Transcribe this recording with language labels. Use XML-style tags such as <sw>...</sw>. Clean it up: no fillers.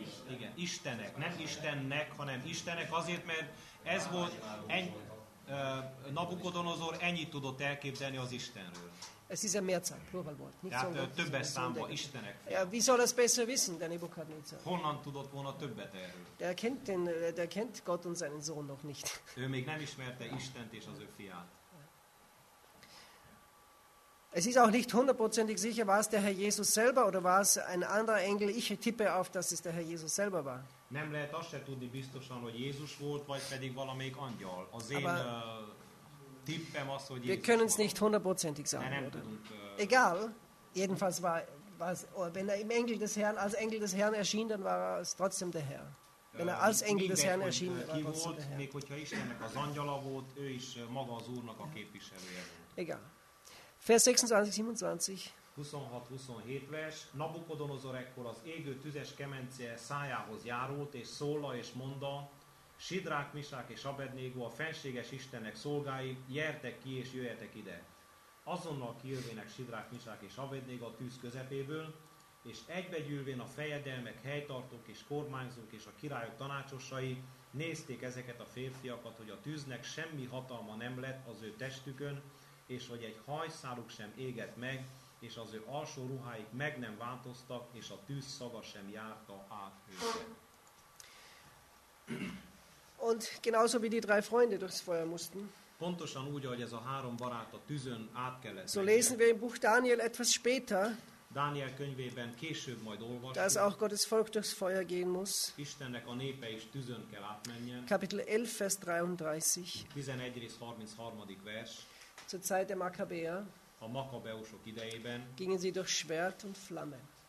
<hu>Igen, Istenek, nem Istennek, hanem Istenek, azért, mert ez volt egy Nabukodonozor ennyit tudott elképzelni az Istenről.</hu> <de>Es ist ein Mehrzahl, Plural volt.</de> <hu>Tehát többes számba Istenek.</hu> <de>Ja, wie soll es besser wissen, der Nebukadnezar?</de> <hu>Honnan tudott volna többet erről?</hu> <de>Der kennt Gott und seinen Sohn noch nicht.</de> <hu>Ő még nem ismerte Istent és az ő fiát.</hu> <de>Es ist auch nicht hundertprozentig sicher, war es der Herr Jesus selber oder war es ein anderer Engel. Ich tippe auf, dass es der Herr Jesus selber war.</de> <hu>Nem lehet azt se tudni biztosan, hogy Jézus volt, vagy pedig valamelyik angyal. Az én</hu> <de>Wir können es nicht hundertprozentig sagen. Oder? Egal, jedenfalls war es, wenn er im Engel des Herrn, als Engel des Herrn erschien, dann war es trotzdem der Herr. Wenn er als Engel des Herrn erschien, dann war es trotzdem der Herr. Egal. Vers 26-27.</de> <hu>26-27 vers. Nabukodonozor ekkor az égő tüzes kemence szájához járult, és szóla és monda, Sidrák, Misák és Abednégó, a fenséges Istennek szolgái, gyertek ki és jöjjetek ide. Azonnal kijövének Sidrák, Misák és Abednégó a tűz közepéből, és egybegyűlvén a fejedelmek, helytartók és kormányzók és a királyok tanácsosai nézték ezeket a férfiakat, hogy a tűznek semmi hatalma nem lett az ő testükön, és hogy egy hajszáluk sem égett meg, és az ő alsó ruháik meg nem változtak, és a tűz szaga sem járta át őket.</hu> <de>Und genauso wie die drei Freunde durchs Feuer mussten.</de> <hu>Pontosan úgy, ahogy ez a három barát a tűzön át kellett.</hu> <de>So lesen wir im Buch Daniel etwas später.</de> <hu>Daniel könyvében később majd olvasjuk.</hu> <de>Dass auch Gottes Volk durchs Feuer gehen muss.</de> <hu>Istennek a népe is tűzön kell átmenjen.</hu> <de>Kapitel 11 vers 33.</de> <hu>11 rész 33. vers.</hu> <de>Zur Zeit der Makkabäer.</de> <hu>A Makkabeusok idejében.</hu> <de>Gingen sie durch Schwert und Flamme.</de>